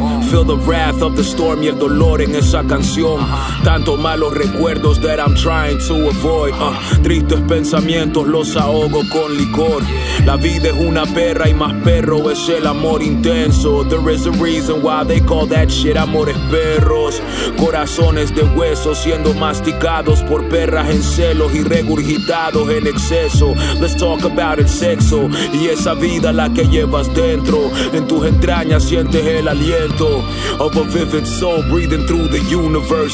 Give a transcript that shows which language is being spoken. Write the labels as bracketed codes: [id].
[en] Feel the wrath of the storm [es] y el dolor en esa canción. Tanto malos recuerdos [en] that I'm trying to avoid. [es] Tristes pensamientos los ahogo con licor. La vida es una perra y más perro es el amor intenso. [en] There is a reason why they call that shit [es] amores perros. Corazones de hueso siendo masticados por perras en celos y regurgitados en exceso. [en] Let's talk about [es] el sexo y esa vida la que llevas dentro. En tus entrañas sientes el aliento [en] of a vivid soul breathing through the universe.